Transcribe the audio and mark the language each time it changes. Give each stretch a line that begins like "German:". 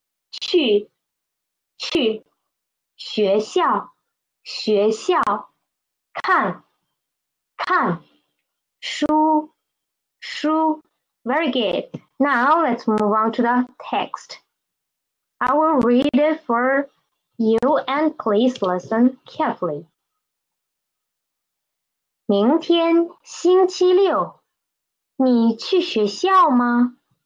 Chinese: 去, 去, 学校, 学校, 看, 看, 书, 书.
English: Very good. Now let's move on to the text. I will read it for you and please listen carefully.
Chinese: 明天星期六，你去学校吗？